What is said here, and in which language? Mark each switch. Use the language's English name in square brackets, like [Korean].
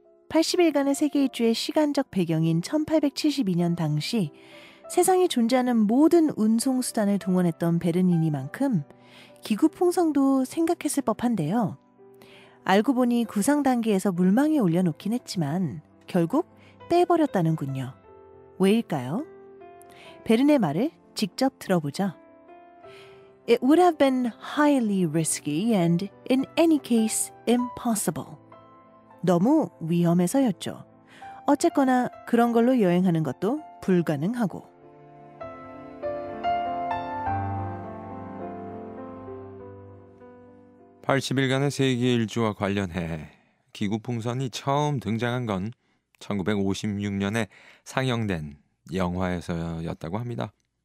[Korean] 80일간의 세계일주의 시간적 배경인 1872년 당시 세상에 존재하는 모든 운송수단을 동원했던 베르니니만큼 기구풍선도 생각했을 법한데요. 알고 보니 구상 단계에서 물망에 올려놓긴 했지만 결국 빼버렸다는군요. 왜일까요? 베른의 말을 직접 들어보죠. [English] It would have been highly risky and in any case impossible. [Korean] 너무 위험해서였죠. 어쨌거나 그런 걸로 여행하는 것도 불가능하고. 80일간의 세계 일주와 관련해 기구풍선이 처음 등장한 건 1956년에 상영된 영화에서였다고 합니다.